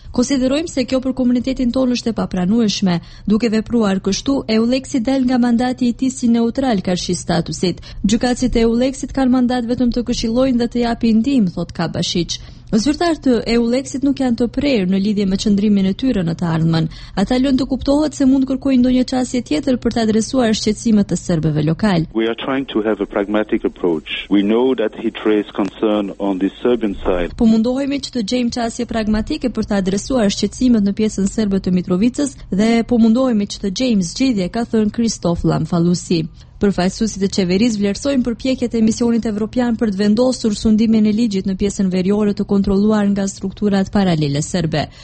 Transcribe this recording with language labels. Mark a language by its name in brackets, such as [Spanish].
[Albanian] Konsiderojmë se kjo për komunitetin tonë është e papranueshme. Duke vepruar kështu, EULEX-i del nga mandati i tij si neutral karshi statusit. Gjykatësit e EULEX-it kanë mandat vetëm të këshillojnë dhe të japin ndihmë, thot Kabashiç. Zyrtarë të EULEX-it nuk janë të prerë në lidhje me qëndrimin e tyre në të ardhmen. Ata lënë të kuptohet se mund kërkojnë ndonjë çasje tjetër për të adresuar shqetësimet të serbëve lokal. [English] We are trying to have a pragmatic approach. We know that he raised concern on the Serbian side. [Albanian] Po mundohemi që të gjejmë çasje pragmatike për të adresuar shqetësimet në pjesën serbe të Mitrovicës dhe po mundohemi që të gjejmë zgjidhje, ka thënë Kristof Lamfalusi. Përfaqësuesit e qeverisë vlerësojnë përpjekjet e misionit evropian për të vendosur sundimin e ligjit në pjesën veriore të kontrolluar nga strukturat paralele serbe.